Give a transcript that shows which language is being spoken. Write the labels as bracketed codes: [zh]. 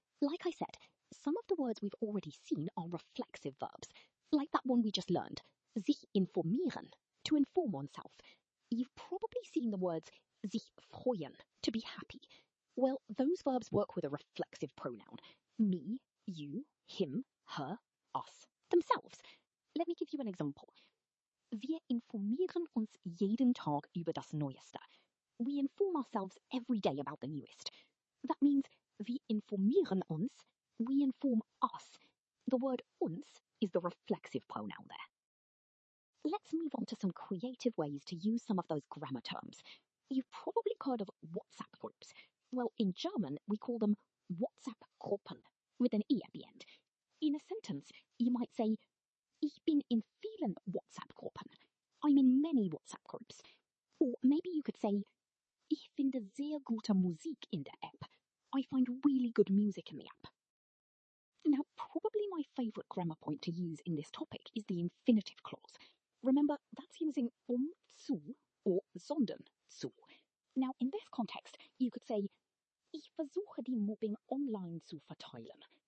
[en] Like I said, some of the words we've already seen are reflexive verbs, like that one we just learned, sich informieren, to inform oneself. You've probably seen the words sich freuen, to be happy. Well, those verbs work with a reflexive pronoun, me, you, him, her, us, themselves. Let me give you an example. [de] Wir informieren uns jeden Tag über das Neueste. [en] We inform ourselves every day about the newest. That means [de] wir informieren uns, [en] we inform us. The word uns is the reflexive pronoun there. Let's move on to some creative ways to use some of those grammar terms. You've probably heard of WhatsApp groups. Well, in German, we call them WhatsApp Gruppen, with an E at the end. In a sentence, you might say, [de] Ich bin in vielen WhatsApp Gruppen. [en] I'm in many WhatsApp groups. Or maybe you could say, [de] Ich finde sehr gute Musik in der App. [en] I find really good music in the app. Now, probably my favourite grammar point to use in this topic is the infinitive clause. Remember, that's using um zu or sondern zu. Now, in this context, you could say, [de] Ich versuche die Mobbing online zu verteilen.